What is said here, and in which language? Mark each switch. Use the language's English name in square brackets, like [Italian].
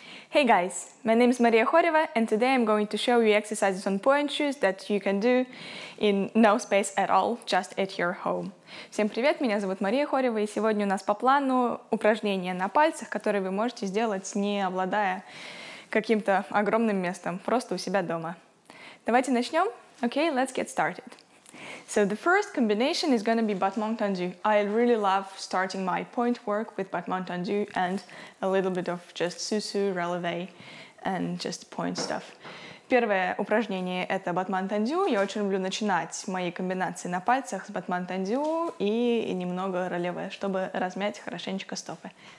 [English] Hey guys, my name is Maria Khoreva, and today I'm going to show you exercises on pointe shoes that you can do in no space at all, just at your home. [Russian] Всем привет, меня зовут Мария Хорева, и сегодня у нас по плану упражнения на пальцах, которые вы можете сделать, не обладая каким-то огромным местом, просто у себя дома. Давайте начнем. [English] Okay, let's get started. So the first combination is going to be battement tendu. I really love starting my pointe work with battement tendu and a little bit of just susu, releve and just pointe stuff. [Russian] Первое упражнение — это battement tendu. Я очень люблю начинать мои комбинации на пальцах с battement tendu и немного releve, чтобы размять хорошенечко стопы.